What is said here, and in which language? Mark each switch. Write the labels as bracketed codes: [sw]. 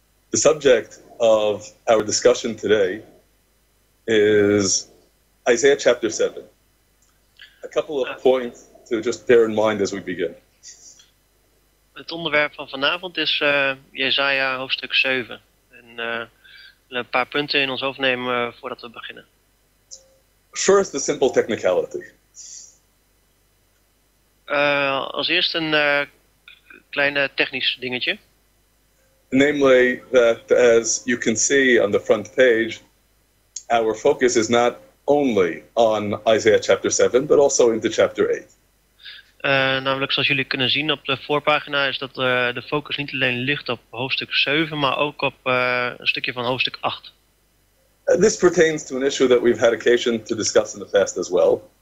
[en] The subject of our discussion today is Isaiah chapter 7. A couple of points to just bear in mind as we begin. [nl] Het onderwerp van vanavond is Jesaja hoofdstuk 7. En we willen een paar punten in ons hoofd nemen voordat we beginnen. [en] First, the simple technicality. [nl] Als eerst een kleine technisch dingetje. [en] Namely, that as you can see on the front page, our focus is not only on Isaiah chapter 7, but also into chapter 8. [nl] Namelijk, zoals jullie kunnen zien op de voorpagina, is dat de focus niet alleen ligt op hoofdstuk 7, maar ook op een stukje van hoofdstuk 8. [en] This pertains to an issue that we've had occasion to discuss in the past as well.